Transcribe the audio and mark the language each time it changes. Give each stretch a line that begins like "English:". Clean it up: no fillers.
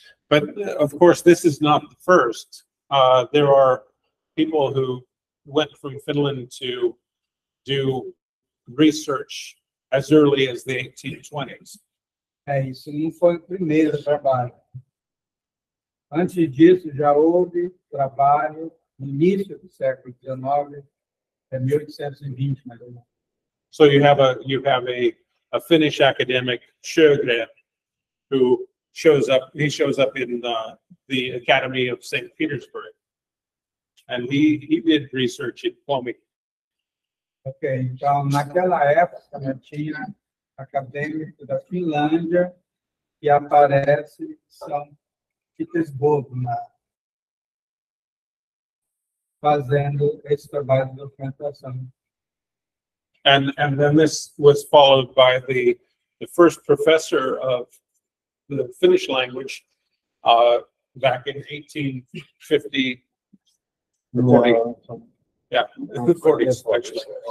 English: But of course, this is not the first. There are people who went from Finland to do research as early as the 1820s.
Portuguese: É isso, não foi o primeiro trabalho. Antes disso, já houve trabalho no início do século XIX, 1820, mais ou menos.
English: So you have a Finnish academic Sjögren, who shows up. He shows up in the Academy of St. Petersburg, and he did research in plumbing.
Portuguese: Okay, então naquela época não tinha acadêmico da Finlândia que aparece São Petersburgo fazendo esse trabalho de documentação.
English: And then this was followed by the first professor of the Finnish language back in 1850, yeah, the 40s, actually.